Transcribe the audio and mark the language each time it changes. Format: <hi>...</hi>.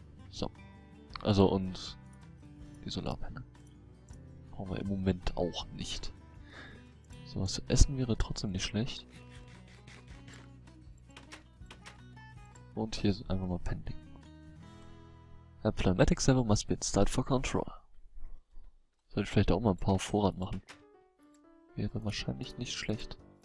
<de>So. Also und die Solarpanne. Brauchen wir im Moment auch nicht. So, was zu essen wäre trotzdem nicht schlecht. Und hier ist einfach mal Pending.</de> <en>A Planetic Server must be installed for control.</en> <de>Sollte ich vielleicht auch mal ein paar Vorrat machen. Wäre wahrscheinlich nicht schlecht.</de>